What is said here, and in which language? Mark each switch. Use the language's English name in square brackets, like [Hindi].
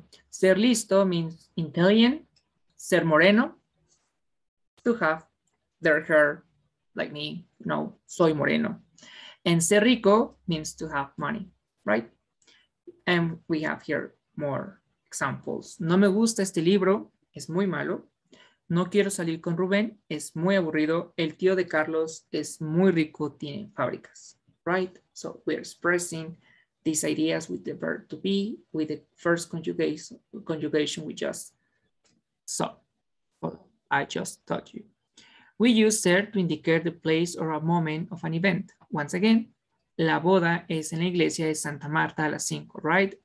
[English] Ser listo means intelligent. Ser moreno, to have their hair like me, you know, [Spanish] soy moreno. [English] And ser rico means to have money, right? And we have here more examples. [Spanish] No me gusta este libro, es muy malo. No quiero salir con Rubén, es muy aburrido. El tío de Carlos es muy rico, tiene fábricas, right? [English] So we're expressing these ideas with the verb to be, with the first conjugation we just saw. I just taught you. We use ser to indicate the place or a moment of an event. Once again, [Spanish] la boda es en la iglesia de Santa Marta a las 5, [English] right?